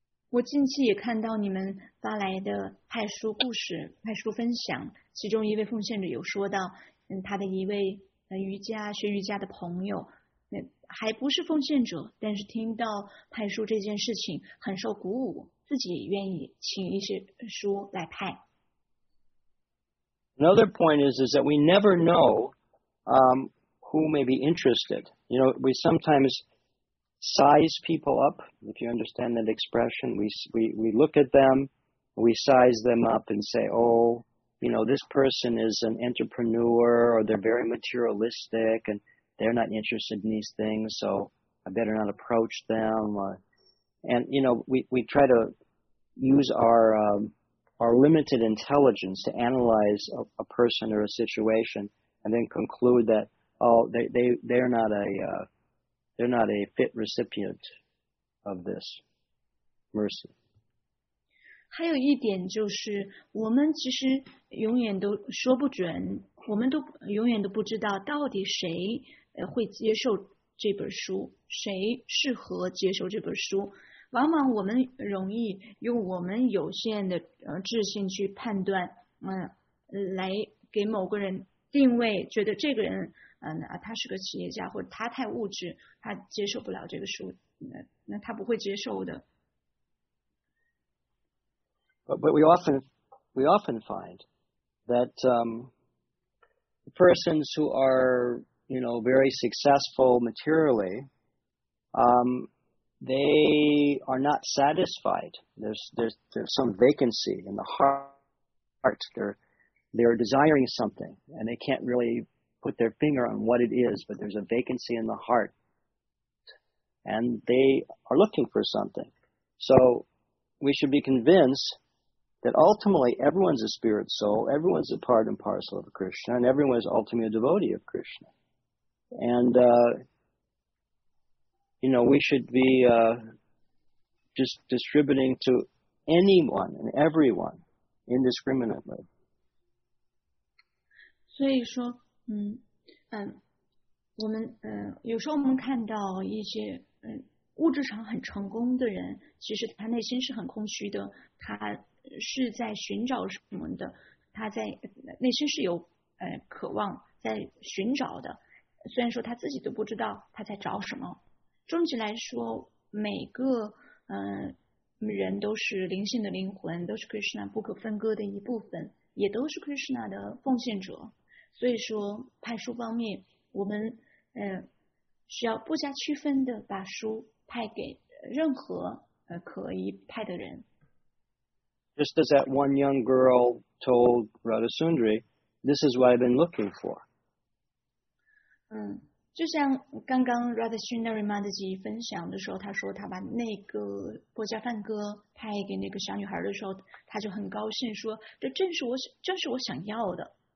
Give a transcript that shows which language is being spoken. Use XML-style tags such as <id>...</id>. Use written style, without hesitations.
<zh>我近期也看到你们发来的派书故事、派书分享，其中一位奉献者有说到，他的一位瑜伽、学瑜伽的朋友，还不是奉献者，但是听到派书这件事情很受鼓舞，自己也愿意请一些书来派。</zh> <en>Another point is that we never know who may be interested. You know, we sometimes size people up, if you understand that expression. We look at them, we size them up and say, oh, you know, this person is an entrepreneur or they're very materialistic and they're not interested in these things, so I better not approach them. And, you know, we try to use our limited intelligence to analyze a person or a situation and then conclude that, oh, they're not a fit recipient of this mercy.</en> <zh>还有一点就是我们其实永远都说不准，我们都永远都不知道到底谁会接受这本书，谁适合接受这本书。往往我们容易用我们有限的智性去判断，来给某个人定位，觉得这个人他是个企业家，或者他太物质，他接受不了这个书，那他不会接受的。</zh> <en>But we often find that persons who are, you know, very successful materially, they are not satisfied. There's some vacancy in the heart. They're desiring something, and they can't really put their finger on what it is, but there's a vacancy in the heart, and they are looking for something. So we should be convinced that ultimately everyone's a spirit soul, everyone's a part and parcel of Krishna, and everyone is ultimately a devotee of Krishna. And, you know, we should be just distributing to anyone and everyone indiscriminately.</en> <zh>所以说，我们有时候我们看到一些物质上很成功的人，其实他内心是很空虚的，他是在寻找什么的，他在内心是有渴望在寻找的，虽然说他自己都不知道他在找什么。总体来说，每个人都是灵性的灵魂，都是 Krishna 不可分割的一部分，也都是 Krishna 的奉献者。所以说派书方面，我们需要不加区分的把书派给任何可以派的人。</zh> <en>Just as that one young girl told Radhasundari, this is what I've been looking for.</en> <zh>就像刚刚 Radhasundari Madhaji 分享的时候，他说他把那个波加梵歌派给那个小女孩的时候，他就很高兴说，这正是我想要的。</zh>